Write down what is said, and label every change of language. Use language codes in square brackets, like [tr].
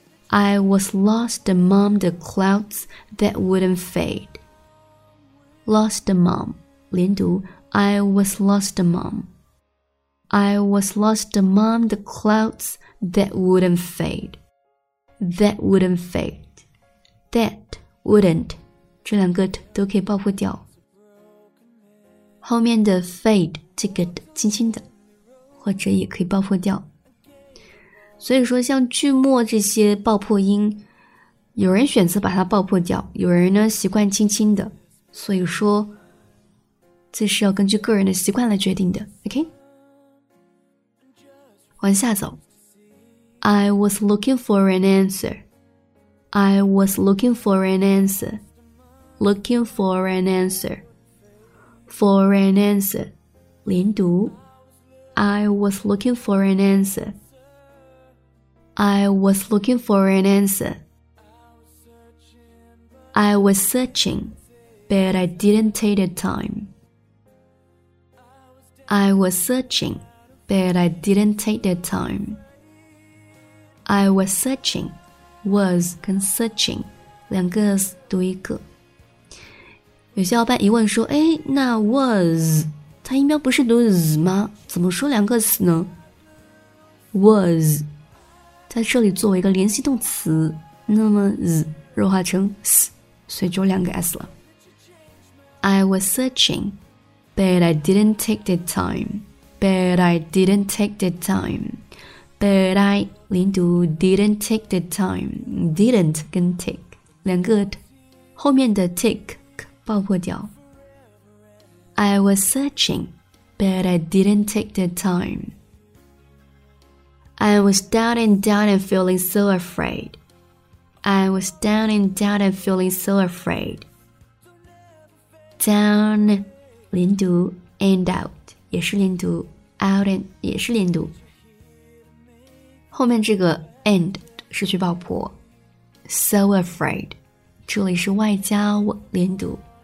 [en] I was lost among the clouds that wouldn't fade. Lost among, 连读, I was lost among. I was lost among the clouds that wouldn't fade. That wouldn't fade. That wouldn't, [zh] 这两个都可以爆破掉。后面的 fade, 这个轻轻的, 或者也可以爆破掉。所以说像句末这些爆破音，有人选择把它爆破掉，有人呢习惯轻轻的，所以说这是要根据个人的习惯来决定的。 OK， 往下走。 [en] I was looking for an answer. I was looking for an answer. Looking for an answer. For an answer. [zh] 连读。 [en] I was looking for an answer. I was looking for an answer. I was searching, but I didn't take the time. I was searching, but I didn't take the time. I was searching, was 跟 searching [zh] 两个读一个。有些伙伴疑问说，哎，那 was 它音标不是读 z 吗？怎么说两个 s 呢？Was 在这里作为一个联系动词，那么 z 弱化成 s， 所以就两个 s 了。 [en] I was searching. But I didn't take the time. But I didn't take the time. But I [zh] 连读 [en] didn't take the time. [zh] Didn't 跟 take 两个后面的 take 爆破掉。 [en] I was searching, but I didn't take the time. I was down and down and feeling so afraid. I was down and down and feeling so afraid. Down. [zh] 连读 and out 也是连读 out and 也是连读，后面这个 and 是去爆破 so afraid， 这里是外加连读。